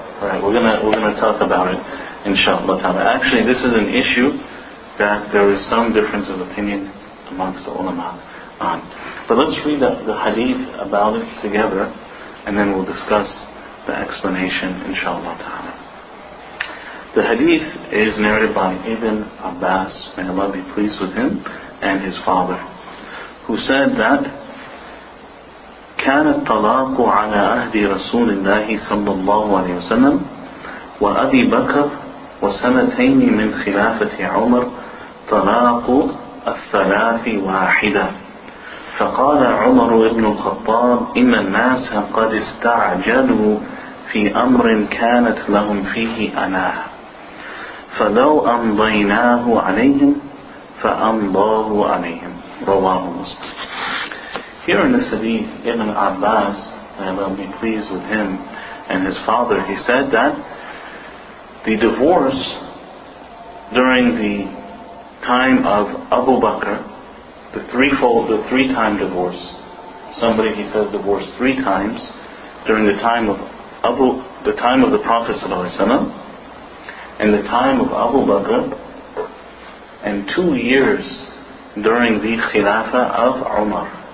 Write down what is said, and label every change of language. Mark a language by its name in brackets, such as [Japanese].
[English] Right, we're gonna talk about it, inshallah ta'ala. Actually, this is an issue that there is some difference of opinion amongst the ulama on. But let's read the hadith about it together, and then we'll discuss the explanation, inshallah ta'ala. The hadith is narrated by Ibn Abbas, may Allah be pleased with him, and his father, who said that [Arabic] كان الطلاق على عهد رسول الله صلى الله عليه وسلم وأبي بكر وسنتين من خلافة عمر طلاق الثلاث واحدة فقال عمر بن الخطاب إن الناس قد استعجلوا في أمر كانت لهم فيه أناه فلو أمضيناه عليهم فأمضاه عليهم رواه مسلم. [English] Here in the Hadith, Ibn Abbas, may Allah be pleased with him and his father, he said that the divorce during the time of Abu Bakr, the three-time divorce. Somebody, he says, divorced three times during the time of Abu, the time of the Prophet ﷺ, and the time of Abu Bakr, and 2 years during the Khilafah of Umar.